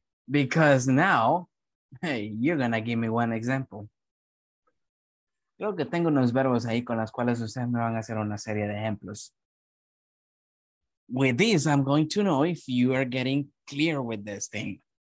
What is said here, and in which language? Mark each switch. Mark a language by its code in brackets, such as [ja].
[en] Because now, hey, you're going to give me one example. [es] Creo que tengo unos verbos ahí con los cuales ustedes me van a hacer una serie de ejemplos. [en] With this, I'm going to know if you are getting clear with this thing.